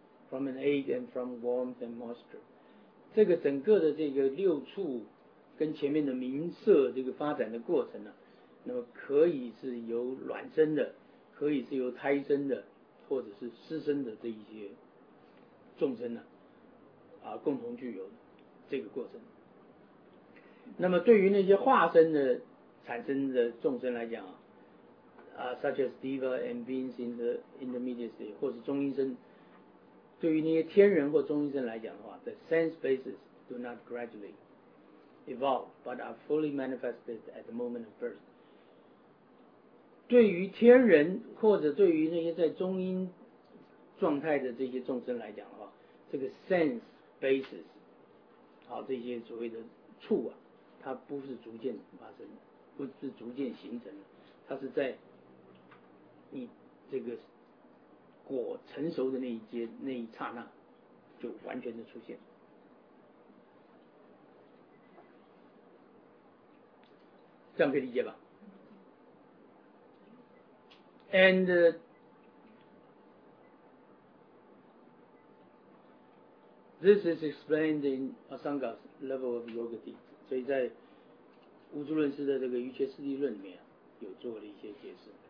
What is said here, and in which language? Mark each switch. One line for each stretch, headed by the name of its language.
English: from an aid and from warmth and moisture.
Chinese: 这个整个的这个六处跟前面的名色这个发展的过程呢、啊，那么可以是由卵生的，可以是由胎生的，或者是湿生的这一些众生呢、啊，啊，共同具有这个过程。那么对于那些化身的产生的众生来讲啊。
English: Such as Deva and beings in the intermediate state,
Chinese: 或是中阴身，对于那些天人或中阴身来讲的话
English: ，the sense bases do not gradually evolve, but are fully manifested at the moment of birth.
Chinese: 对于天人或者对于那些在中阴状态的这些众生来讲的话，这个 sense bases, 好，这些所谓的触啊，它不是逐渐发生的，不是逐渐形成的，它是在你这个果成熟的那一阶那一刹那就完全的出现。这样可以理解吧？
English: And this is explained in Asanga's level of yoga deep.
Chinese: 所以在无著论师的这个瑜伽师地论里面、啊、有做了一些解释。